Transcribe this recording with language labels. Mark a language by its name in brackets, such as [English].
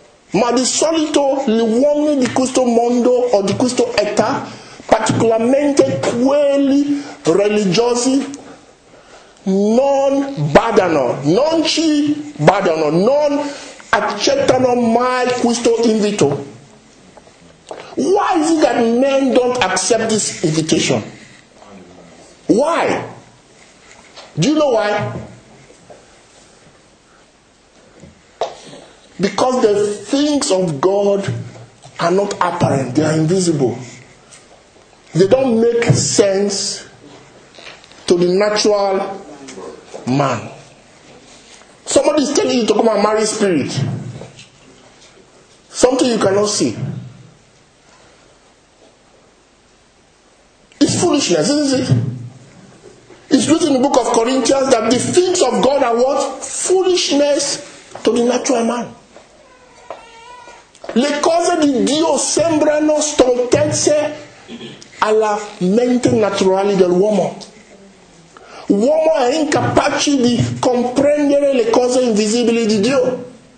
[Italian] Ma di solito gli uomini di questo mondo o di questa età, particolarmente quelli religiosi, non ci badano, non accettano mai questo invito. [English] Why is it that men don't accept this invitation? Why? Do you know why? Because the things of God are not apparent, they are invisible. They don't make sense to the natural man. Somebody is telling you to come and marry spirit. Something you cannot see. It's foolishness, isn't it? It's written in the book of Corinthians that the things of God are what? Foolishness to the natural man. [Italian] Le cose di Dio sembrano stoltezze alla mente naturale dell'uomo. L'uomo è incapace di comprendere le cose invisibili di Dio.